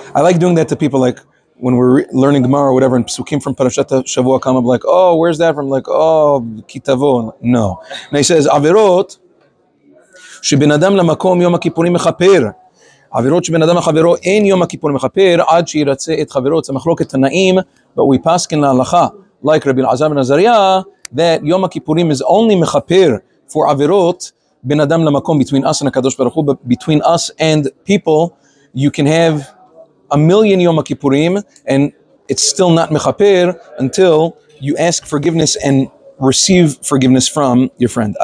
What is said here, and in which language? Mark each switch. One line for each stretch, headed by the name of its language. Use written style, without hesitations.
English: I like doing that to people, like when we're learning Gemara or whatever, and Pesukim from Parashat Shavua come up, like, oh, where's that from? Like, oh, Kitavo. No. And he says,
Hebrew: Averot, שבן אדם למקום יום הכיפורים מחפר. Averot שבן אדם לחברו אין יום הכיפורים מחפר, עד שירצה את חברו, זה מחלוקת תנאים,
English: but we pass in להלכה, like Rabbi Elazar ben Azariah, that יום הכיפורים is only מחפר for Averot, בן אדם למקום, between us and הקדוש ברוך הוא, but between us and people, you can have a million Yom HaKippurim, and it's still not mechaper until you ask forgiveness and receive forgiveness from your friend.